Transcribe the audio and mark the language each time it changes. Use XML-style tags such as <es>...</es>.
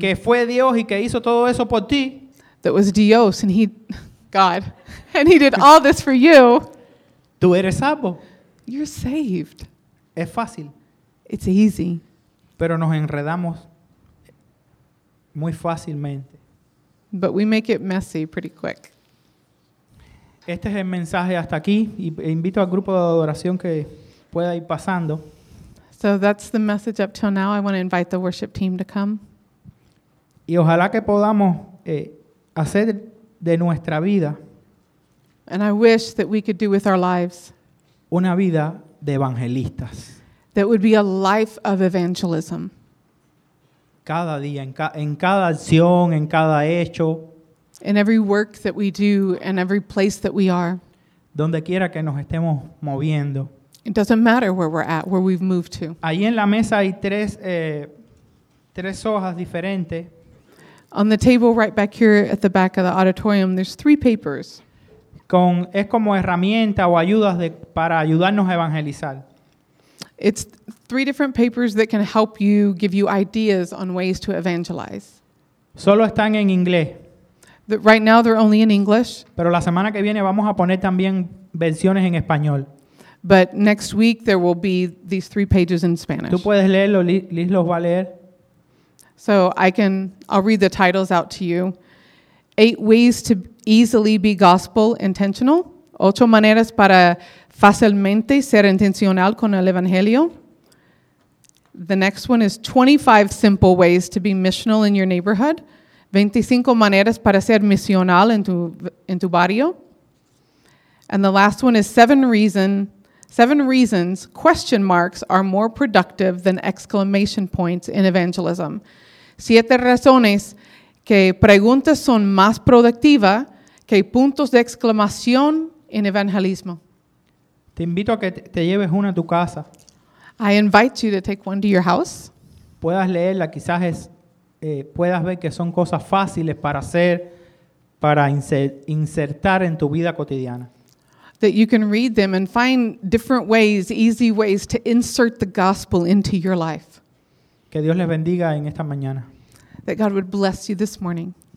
<es>que fue Dios y que hizo todo eso por ti,</es> <en>that was Dios and he, God, and he did all this for you,</en> <es>tú eres salvo.</es> <en>You're saved.</en> <es>Es fácil.</es> <en>It's easy.</en> <es>Pero nos enredamos muy fácilmente.</es> <en>But we make it messy pretty quick.</en> <es>Este es el mensaje hasta aquí. E invito al grupo de adoración que pueda ir pasando.</es> <en>So that's the message up till now. I want to invite the worship team to come.</en> <es>Y ojalá que podamos hacer de nuestra vida.</es> <en>And I wish that we could do with our lives.</en> <es>Una vida de evangelistas.</es> <en>That would be a life of evangelism.</en> <es>Cada día, en cada acción, en cada hecho.</es> <en>In every work that we do, in every place that we are.</en> <es>Donde quiera que nos estemos moviendo.</es> <en>It doesn't matter where we're at, where we've moved to.</en> <es>Ahí en la mesa hay tres hojas diferentes.</es> <en>On the table right back here at the back of the auditorium, there's three papers.</en> <es>Es como herramienta o ayudas para ayudarnos a evangelizar.</es> <en>It's three different papers that can help you, give you ideas on ways to evangelize.</en> <es>Solo están en inglés.</es> <en>Right now they're only in English.</en> <es>Pero la semana que viene vamos a poner también versiones en español.</es> <en>But next week there will be these three pages in Spanish.</en> <es>Tú puedes leerlo, Liz los va a leer.</es> <en>So I'll read the titles out to you. 8 ways to easily be gospel intentional.</en> <es>8 maneras para fácilmente ser intencional con el evangelio.</es> <en>The next one is 25 simple ways to be missional in your neighborhood.</en> <es>25 maneras para ser misional en tu barrio.</es> <en>And the last one is 7 reasons question marks are more productive than exclamation points in evangelism.</en> <es>7 razones que preguntas son más productivas que puntos de exclamación en evangelismo.</es> <en>Te invito a que te lleves una a tu casa.</en> <es>I invite you to take one to your house. Puedas leerla, quizás puedas ver que son cosas fáciles para hacer, para insertar en tu vida cotidiana.</es> <en>That you can read them and find different ways, easy ways to insert the gospel into your life.</en> <es>Que Dios les bendiga en esta mañana.</es> <en>That God would bless you this morning.</en>